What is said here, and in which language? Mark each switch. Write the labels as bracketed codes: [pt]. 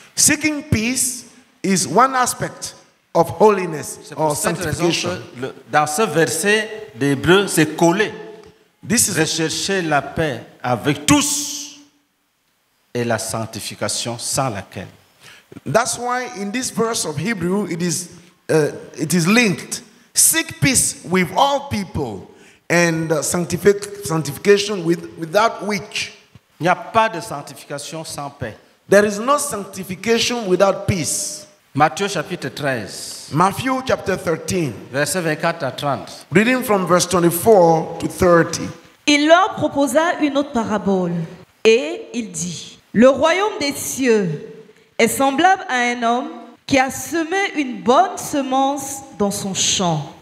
[en] Seeking peace is one aspect of holiness or sanctification. [fr] Dans ce verset d'Hébreu, c'est collé. [en] This is [fr] rechercher la paix avec tous et la sanctification sans laquelle. [en] That's why in this verse of Hebrew, it is linked. Seek peace with all people and sanctification without which. [fr] Il n'y a pas de sanctification sans paix. [en] There is no sanctification without peace. [fr] Matthieu chapitre 13. [en] Matthew chapter 13. [fr] Verset 24 à 30. [en] Reading from verse 24 to 30. [fr] Il leur proposa une autre parabole et il dit: le royaume des cieux est semblable à un homme qui a semé une bonne semence dans son champ.